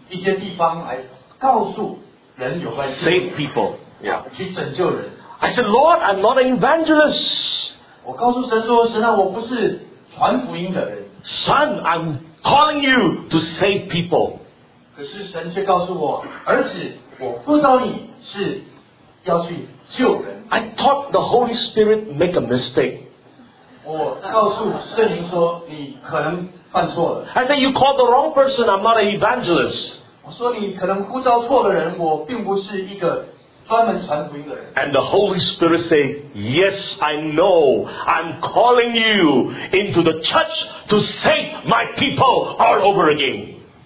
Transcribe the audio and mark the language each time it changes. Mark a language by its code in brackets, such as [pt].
[zh] 1995年，神清楚的向我启发，你要到世界的一些地方来告诉人有关系。 [en] Save people, yeah. [zh] 去拯救人。 [en] I said, "Lord, I'm not an evangelist." [zh] 我告诉神说，神啊，我不是传福音的人。 [en] Son, I'm calling you to save people. [zh] 可是神却告诉我，儿子，我呼召你是要去救人。 [en] I thought the Holy Spirit make a mistake. [zh] 我告诉圣灵说，你可能犯错了。 [en] I said, "You called the wrong person. I'm not an evangelist." [zh] 我说你可能呼召错了人，我并不是一个。 [en] And the Holy Spirit say, "Yes, I know. I'm calling you into the church to save my people all over again."